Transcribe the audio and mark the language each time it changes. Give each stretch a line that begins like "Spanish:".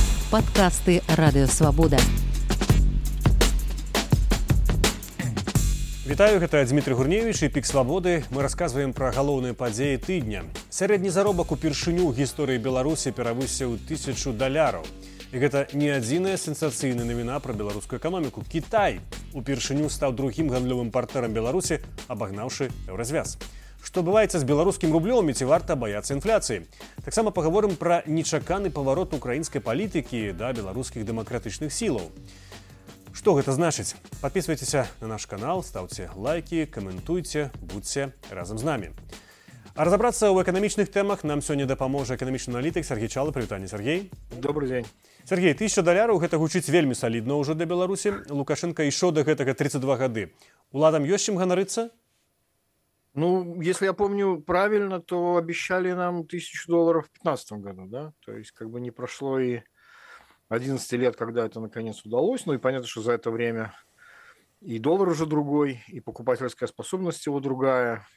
Russian: подкасты «Радио Свобода».
Belarusian: Вітаю, гэта Дмітрий Гурневіч і «Пік Свабоды». Мы расказваем пра галоўныя падзеі тыдня. Сярэдні заробак упершыню ў гісторыі Беларусі перавысіў 1000 даляраў. І гэта не адзіная сенсацыйная навіна пра беларускую эканоміку. Кітай упершыню стаў другім гандлёвым партнёрам Беларусі, абагнаўшы еўразвяз. Што бываецца з беларускім рублём і ці варта баяцца інфляцыі? Таксама пагаворым пра нечаканы паварот украінскай палітыкі да беларускіх дэмакратычных сілаў. Што гэта значыць? Падпісвайцеся на наш канал, стаўце лайкі, каментуйце, будзьце разам з намі. А разабрацца ў эканамічных тэмах нам сёння дапаможа эканамічны аналітык Сергей Чалы. Прывітанне, Сергей. Добры дзень. Сергей, 1000 даляраў гэта гучыць вельмі салідна ўжо для Беларусі. Лукашэнка ішоў да гэтага 32 гады. Уладам ёсць чым ганарыцца?
Russian: Ну, если я помню правильно, то обещали нам 1000 долларов в 15 году, да? То есть как бы не прошло и 11 лет, когда это наконец удалось. Ну и понятно, что за это время и доллар уже другой, и покупательская способность его другая.